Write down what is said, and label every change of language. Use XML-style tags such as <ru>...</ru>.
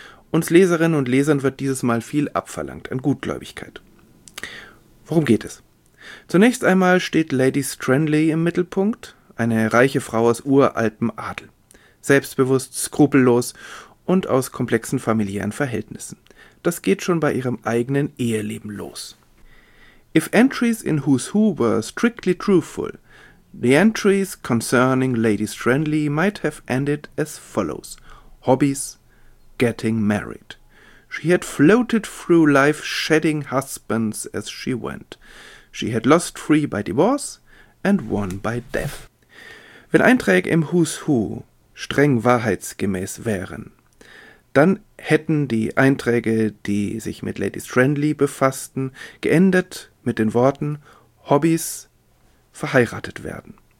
<de>Uns Leserinnen und Lesern wird dieses Mal viel abverlangt an Gutgläubigkeit. Worum geht es? Zunächst einmal steht Lady Stranley im Mittelpunkt, eine reiche Frau aus uraltem Adel. Selbstbewusst, skrupellos und aus komplexen familiären Verhältnissen. Das geht schon bei ihrem eigenen Eheleben los.</de> <en>If entries in Who's Who were strictly truthful, the entries concerning Lady Stranley might have ended as follows. Hobbies: getting married. She had floated through life shedding husbands as she went. She had lost 3 by divorce and 1 by death.</en> <de>Wenn Einträge im Who's Who streng wahrheitsgemäß wären, dann hätten die Einträge, die sich mit Lady Stranley befassten, geendet mit den Worten Hobbys, verheiratet werden.</de>